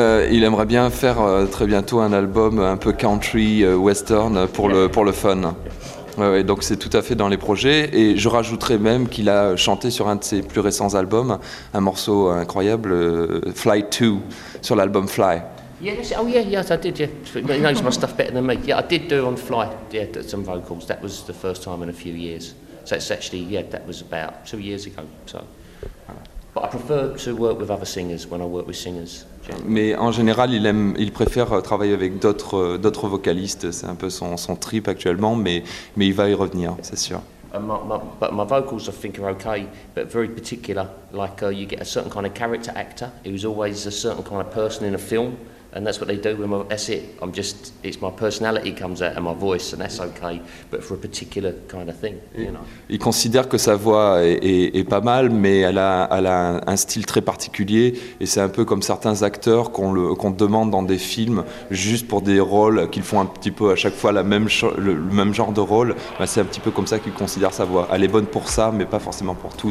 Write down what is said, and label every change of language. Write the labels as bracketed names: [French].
[French] Il aimerait bien faire très bientôt un album un peu country western pour le fun. Ouais, donc c'est tout à fait dans les projets. Et je rajouterais même qu'il a chanté sur un de ses plus récents albums un morceau incroyable, Fly 2, sur l'album Fly. [English] Yes, I did. Yeah, he knows my stuff better than me. Yeah, I did do on Fly. Yeah, some vocals. That was the first time in a few years. So it's actually, yeah, that was about 2 years ago. So. But I prefer to work with other singers when I work with singers. [French] Mais en général, il préfère travailler avec d'autres vocalistes. C'est un peu son trip actuellement, mais il va y revenir, c'est sûr. [English] My vocals, I think, are okay, but very particular. Like you get a certain kind of character actor. It was always a certain kind of person in a film, and that's what they do. That's it. It's my personality comes out of my voice, and that's okay. But for a particular kind of thing, you know. [French] Il considère que sa voix est pas mal, mais elle a un style très particulier, et c'est un peu comme certains acteurs qu'on demande dans des films juste pour des rôles qu'ils font un petit peu à chaque fois le même genre de rôle. Bah, c'est un petit peu comme ça qu'il considère sa voix. Elle est bonne pour ça, mais pas forcément pour tout.